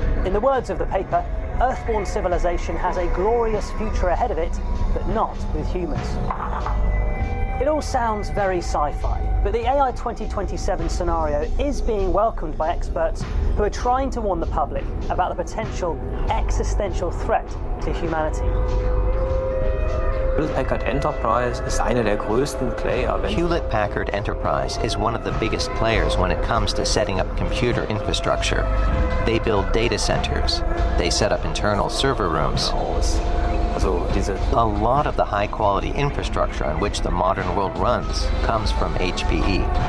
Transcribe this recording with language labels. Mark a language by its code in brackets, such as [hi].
[en] In the words of the paper, Earthborn civilization has a glorious future ahead of it, but not with humans. It all sounds very sci-fi, but the AI 2027 scenario is being welcomed by experts who are trying to warn the public about the potential existential threat to humanity. [de] Hewlett-Packard Enterprise ist einer der größten Player. [en] Hewlett-Packard Enterprise is one of the biggest players when it comes to setting up computer infrastructure. They build data centers. They set up internal server rooms. [de] Also diese [en] a lot of the high-quality infrastructure on which the modern world runs comes from HPE.